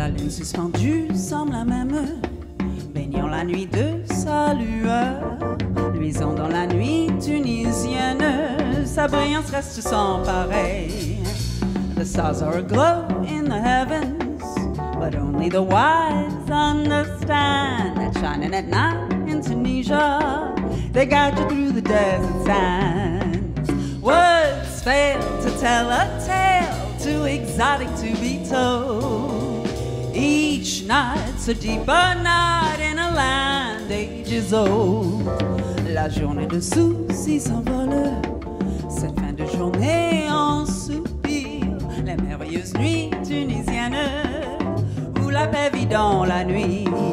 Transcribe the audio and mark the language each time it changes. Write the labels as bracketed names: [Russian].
[French] suspendue semble la même, baignant la nuit de sa lueur, luisant dans la nuit tunisienne, sa brillance reste sans pareil. [English] The stars are aglow in the heavens, but only the wise understand that shining at night in Tunisia, they guide you through the desert sands. Words fail to tell a tale too exotic to be told. Each night's a deeper night in a land ages old. [French] La journée de souci s'envole, cette fin de journée en soupir. Les merveilleuses nuits tunisiennes, où la paix vit dans la nuit.